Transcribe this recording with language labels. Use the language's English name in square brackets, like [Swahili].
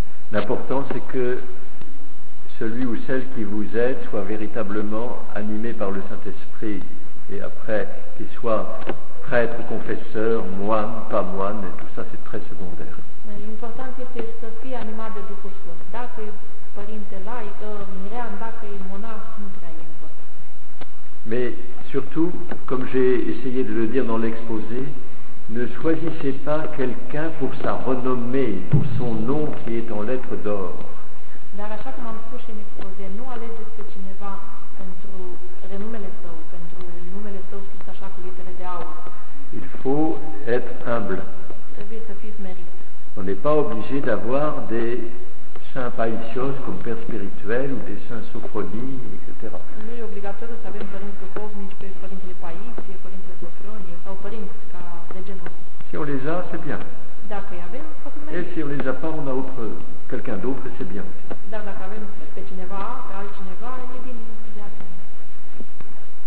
[French] L'important c'est que celui ou celle qui vous aide soit véritablement animé par le Saint-Esprit et après qu'il soit prêtre, confesseur, moine, pas moine, et tout ça c'est très secondaire. [Romanian] Important este să fii animat de Duhul Sfânt. Dacă e părinte laic, mirean, dacă e monah, nu prea e important. [French] Mais surtout, comme j'ai essayé de le dire dans l'exposé, ne choisissez pas quelqu'un pour sa renommée, pour son nom qui est en lettre d'or. [Romanian] Dar așa cum am spus și în expozie, nu alegeți pe cineva pentru renumele său, pentru numele său scris așa cu litere de aur. [French] Il faut être humble. [Romanian] Trebuie să fiți merit. [French] On n'est pas obligé d'avoir des saints païtios comme père spirituel ou des saints sophronies, etc. [Romanian] Nu e obligatoriu să avem părinți duhovnici pe părintele Paisie, părintele Sofronie sau părinți ca de genul. [French] Si on les a, c'est bien. [Romanian] Dacă îi avem, poate merge. [French] Et si on les a pas, on a autre, quelqu'un d'autre, c'est bien. [Romanian] Dar dacă avem pe cineva, pe altcineva, e bine de asemenea.